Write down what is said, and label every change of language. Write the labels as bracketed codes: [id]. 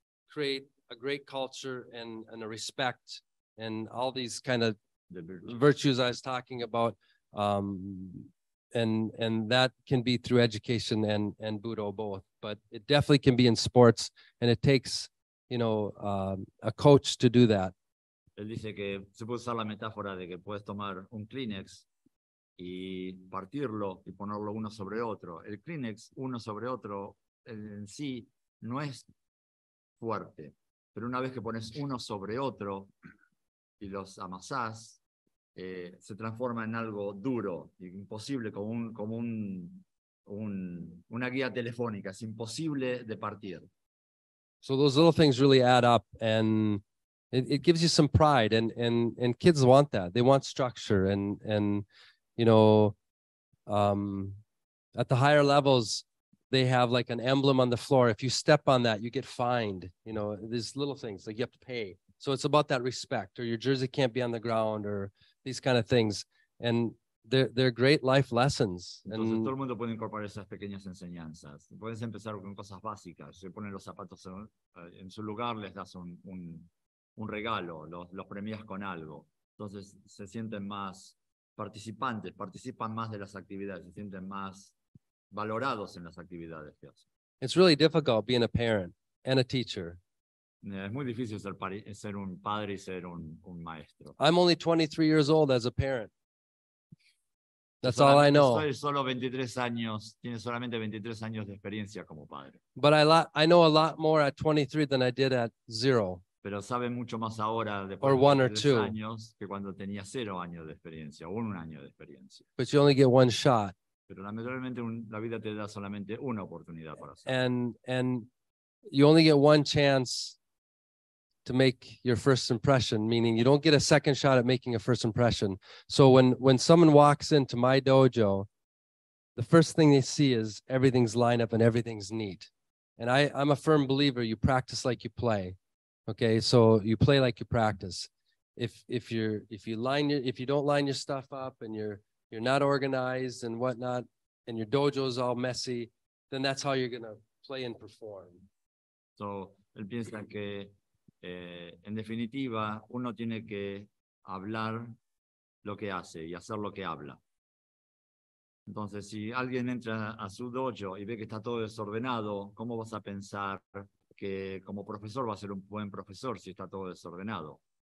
[en] create a great culture and a respect and all these kind of virtues I was talking about. And that can be through education and Budo both, but it definitely can be in sports, and it takes, you know, a coach to do that. [es] Él dice que se puede usar la metáfora de que puedes tomar un Kleenex y partirlo y ponerlo uno sobre otro. El Kleenex uno sobre otro en sí no es fuerte, pero una vez que pones uno sobre otro y los amasás, se transforma en algo duro, imposible, como una guía telefónica. Es imposible de partir. [en] So those little things really add up, and it gives you some pride, and kids want that. They want structure, and you know, at the higher levels, they have like an emblem on the floor. If you step on that, you get fined. You know, these little things, like you have to pay. So it's about that respect, or your jersey can't be on the ground, or these kind of things. And they're great life lessons. [es] Entonces, todo el mundo puede incorporar esas pequeñas enseñanzas. Puedes empezar con cosas básicas. Se ponen los zapatos en su lugar, les das un regalo, los premias con algo. Entonces, se sienten más participantes, participan más de las actividades, se sienten más valorados en las actividades que hacen. [en] It's really difficult being a parent and a teacher. [es] Es muy difícil ser un padre y ser un maestro. [en] I'm only 23 years old as a parent. That's all I know. [es] Soy solo 23 años, tiene solamente 23 años de experiencia como padre. [en] But I know a lot more at 23 than I did at zero. [es] Pero sabe mucho más ahora de por [en] 1 or 2 [es] años que cuando tenía 0 años de experiencia o 1 año de experiencia. [en] But you only get one shot. [es] Pero lamentablemente la vida te da solamente una oportunidad para hacerlo. [en] And you only get one chance to make your first impression, meaning you don't get a second shot at making a first impression. So when someone walks into my dojo, the first thing they see is everything's lined up and everything's neat. And I'm a firm believer, you practice like you play. Okay, so you play like you practice. If you don't line your stuff up and you're not organized and whatnot, and your dojo is all messy, then that's how you're gonna play and perform. [es] So él piensa que en definitiva, uno tiene que hablar lo que hace y hacer lo que habla. Entonces, si alguien entra a su dojo y ve que está todo desordenado, ¿cómo vas a pensar que como profesor va a ser un buen profesor si está todo desordenado?